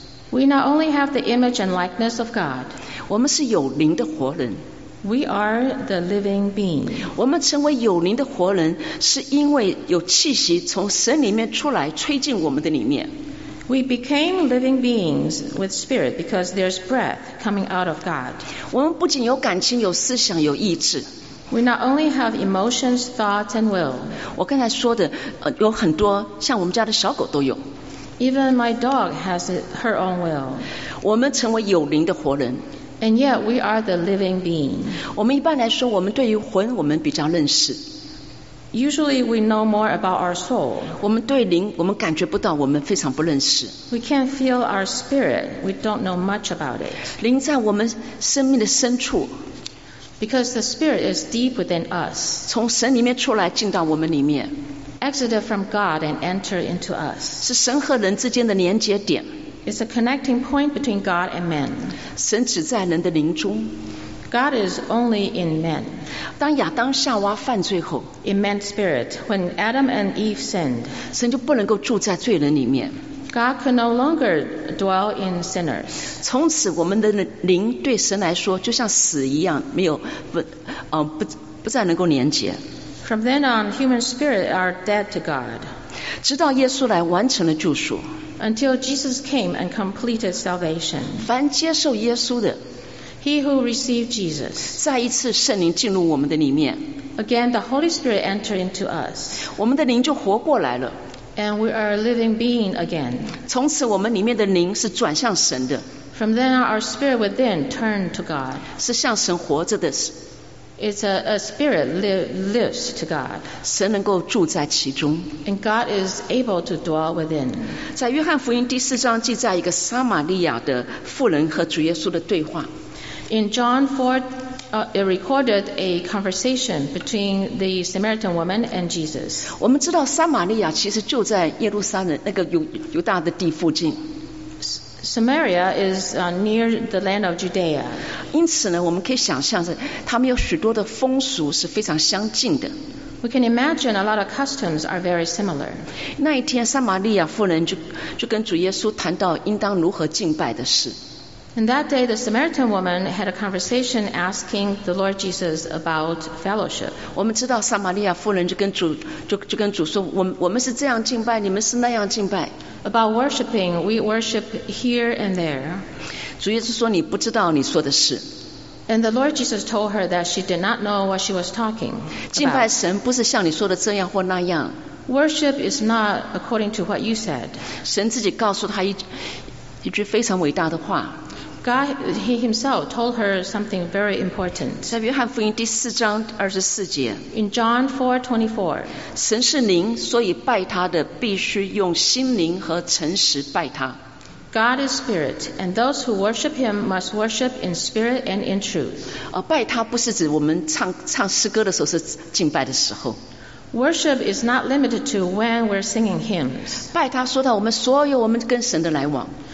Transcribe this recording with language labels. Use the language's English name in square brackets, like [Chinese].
[English] We not only have the image and likeness of God. [Chinese] 我们是有灵的活人。 [English] We are the living being. [Chinese] 我们成为有灵的活人，是因为有气息从神里面出来，吹进我们的里面。 [English] We became living beings with spirit because there's breath coming out of God. [Chinese] 我们不仅有感情、有思想、有意志。 [English] We not only have emotions, thoughts, and will. [Chinese] 我刚才说的，有很多，像我们家的小狗都有。 [English] Even my dog has her own will. [Chinese] 我们成为有灵的活人。 [English] And yet we are the living being. [Chinese] 我们一般来说，我们对于魂，我们比较认识。 [English] Usually we know more about our soul. [Chinese] 我们对灵，我们感觉不到，我们非常不认识。 [English] We can't feel our spirit. We don't know much about it. [Chinese] 灵在我们生命的深处。 [English] Because the spirit is deep within us. [Chinese] 从神里面出来，进到我们里面。 [English] Exited from God and entered into us. [Chinese] 是神和人之间的连接点。 [English] It's a connecting point between God and men. [Chinese] 神只在人的灵中。 [English] God is only in men. [Chinese] 当亚当夏娃犯罪后 [English] ，In man's spirit, when Adam and Eve sinned, [Chinese] 神就不能够住在罪人里面。 [English] God could no longer dwell in sinners. [Chinese] 从此，我们的灵对神来说就像死一样，没有不再能够连接。 [English] From then on, human spirits are dead to God. [Chinese] 直到耶稣来完成了救赎 [English] ，Until Jesus came and completed salvation. [Chinese] 凡接受耶稣的。 [English] He who received Jesus. [Chinese] 再一次圣灵进入我们的里面。 [English] Again, the Holy Spirit entered into us. [Chinese] 我们的灵就活过来了。 [English] And we are a living being again. [Chinese] 从此我们里面的灵是转向神的。 [English] From then on, our spirit within turned to God. [Chinese] 是向神活着的。 [English] It's a spirit lives to God. [Chinese] 神能够住在其中。 [English] And God is able to dwell within. [Chinese] 在约翰福音第四章记载一个撒玛利亚的妇人和主耶稣的对话。 [English] In John 4, it recorded a conversation between the Samaritan woman and Jesus. [Chinese] 我们知道撒玛利亚其实就在耶路撒冷那个犹大的地附近。 [English] Samaria is near the land of Judea. [Chinese] 因此呢，我们可以想象着他们有许多的风俗是非常相近的。 [English] We can imagine a lot of customs are very similar. [Chinese] 那一天，撒玛利亚妇人就跟主耶稣谈到应当如何敬拜的事。 [English] And that day, the Samaritan woman had a conversation asking the Lord Jesus about fellowship. [Chinese] 我们知道撒玛利亚妇人就跟主说，我们是这样敬拜，你们是那样敬拜。 [English] About worshiping, we worship here and there. [Chinese] 主耶稣说你不知道你说的是。 [English] And the Lord Jesus told her that she did not know what she was talking about. [Chinese] 敬拜神不是像你说的这样或那样。 [English] Worship is not according to what you said. [Chinese] 神自己告诉她一句非常伟大的话。 [English] God, he himself told her something very important. [Chinese] 在约翰福音第四章二十四节。 [English] In John 4:24. [Chinese] 神是灵，所以拜他的必须用心灵和诚实拜他。 [English] God is spirit, and those who worship him must worship in spirit and in truth. [Chinese] 拜他不是指我们唱诗歌的时候是敬拜的时候。 [English] Worship is not limited to when we're singing hymns. [Chinese] 拜他说到我们所有我们跟神的来往。